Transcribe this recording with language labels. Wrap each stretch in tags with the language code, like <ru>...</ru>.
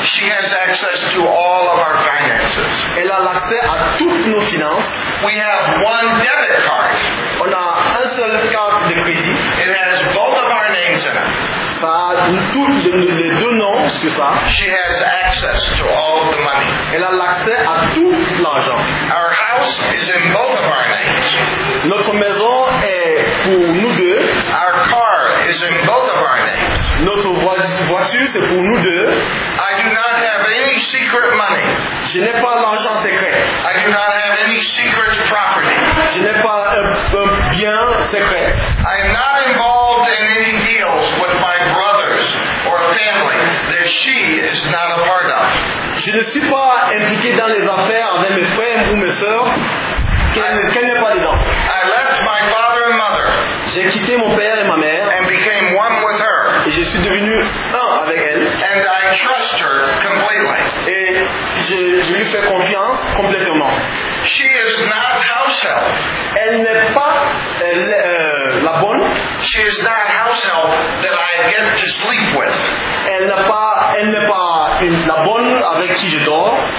<en>She has access to all of our finances.</en> <fr>Elle a l'accès à toutes nos finances.</fr> <en>We have one debit card.</en> <fr>On a un seul carte de crédit.</fr> <en>It has both of our names in it.</en> <fr>Ça a tous les deux noms sur ça.</fr> <en>She has access to all the money.</en> <fr>Elle a l'accès à tout l'argent.</fr> <en>Our house is in both of our names.</en> <fr>Notre maison est pour nous deux.</fr> <en>Our car is in both of our names.</en> <fr>Notre voiture, c'est pour nous deux.</fr> <en>I do not have any secret money.</en> <fr>Je n'ai pas l'argent secret.</fr> <en>I do not have any secret property.</en> <fr>Je n'ai pas un bien secret.</fr> <en>I am not involved in any deals with my brothers or family that she is not a part of.</en> <fr>Je ne suis pas impliqué dans les affaires avec mes frères ou mes sœurs. Qu'elle n'est pas dedans.</fr> <en>I left my father and mother.</en> <fr>J'ai quitté mon père et ma mère.</fr> <en>And became one with her.</en> <fr>Et je suis devenu un avec elle.</fr> <en>And I trust her completely.</en> <fr>Et je lui fais confiance complètement.</fr> <en>She is not house help.</en> <fr>Elle n'est pas la bonne.</fr> <en>She is not house help that I get to sleep with.</en> <fr>Elle n'est pas la bonne avec qui je dors.</fr>